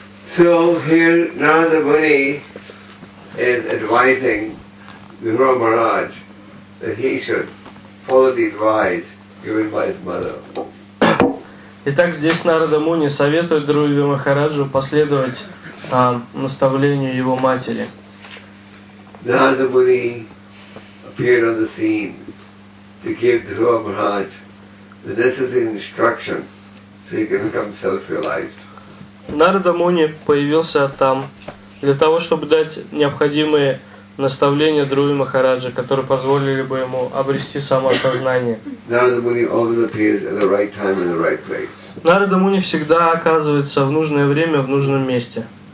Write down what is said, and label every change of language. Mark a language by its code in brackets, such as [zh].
[en] So here Narada Muni is advising Guru Maharaj that he should follow the advice given by his mother. [ru] Итак, здесь Нарада Муни советует Друви Махараджу последовать наставлению его матери. [en] Narada Muni appeared on the scene to give Guru Maharaj the necessary instruction so he can become self-realized. [ru] Нарада Муни появился там для того, чтобы дать необходимые наставления Друви Махараджа, которые позволили бы ему обрести самоосознание. Нарада Муни всегда оказывается в нужное время в нужном месте.